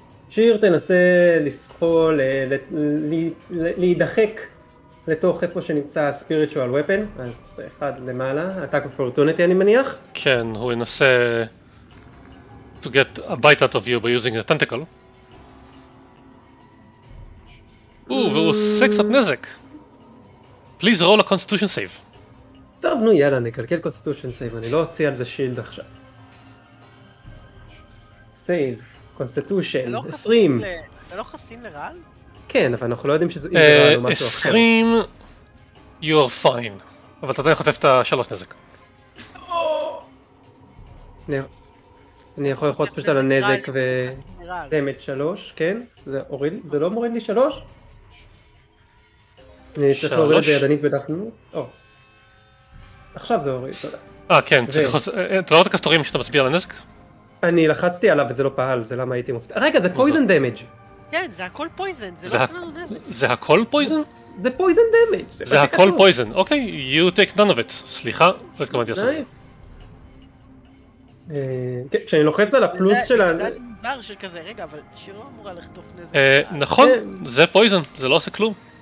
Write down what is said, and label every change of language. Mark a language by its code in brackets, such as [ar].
[he] שיר תנסה לסחול, להידחק לתוך איפה שנמצא ה- [en] spiritual weapon, [he] אז אחד למעלה, [en] attack of opportunity [he] אני מניח. כן, הוא ינסה... [en] to get a bite out of you by using a tentacle. [he] Ooh, והוא עושה קצת נזק. [en] Please roll a constitution save. [he] טוב, נו יאללה, נקלקל constitution save, אני לא אוציא על זה שילד עכשיו. [en] Save, constitution, 20. [he] אתה לא חסין לרעד? אני לא חסין לרעד? כן, אבל אנחנו לא יודעים שזה... [en] 20, you are fine. [he] אבל אתה חוטף את השלוש נזק. אני יכול לחוץ פשוט על הנזק ו... דמת 3, כן? זה הוריד... זה לא מוריד לי 3? אני צריך להוריד את זה ידנית בתחנות? או. עכשיו זה הוריד, תודה. כן, צריך לחוץ... אתה לא רואה את הכפתורים שאתה מסביר על הנזק? אני לחצתי עליו וזה לא פעל, זה למה הייתי מופתע... רגע, זה פויזן דמג'. כן, זה הכל פויזן, זה לא עושה לנו נזק. זה הכל פויזן? זה פויזן דמג', זה מה שכתוב. זה הכל פויזן, אוקיי, [en] you take none of it. [he] סליחה, לא התכוונתי לעשות. נייס. כן, כשאני לוחץ על הפלוס שלה... זה היה לי מוזר של כזה, רגע, אבל שיר לא אמורה לחטוף נזק. נכון, זה פויזן, זה לא עושה כלום.